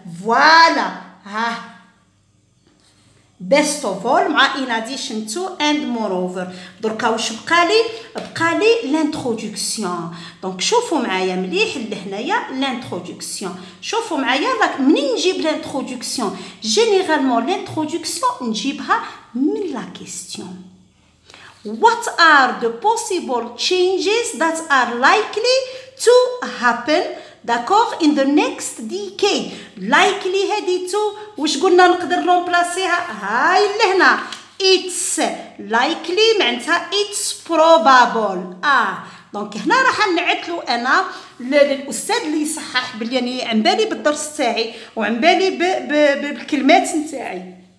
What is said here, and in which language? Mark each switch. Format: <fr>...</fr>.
<en>فوالا ها best of all مع in addition to and more offer.</en> <ar>دركا واش بقالي؟ بقالي لانتروداكسيون. دونك شوفوا معايا مليح لهنايا لانتروداكسيون. شوفوا معايا داك منين نجيب لانتروداكسيون؟ جينيرالمون لانتروداكسيون نجيبها من لا كيستيون.</ar> <en>What are the possible changes that are likely to happen, d'accord, in the next decade?</en> <ar>Likely هذه تو واش قلنا نقدر نبلاصيها؟ هاي اللي هنا.</ar> <en>It's likely معناتها it's probable.</en> <ar>دونك هنا راح نعتلو انا للاستاذ اللي يصحح بلي راني عن بالي بالدرس تاعي وعن بالي بالكلمات نتاعي.</ar>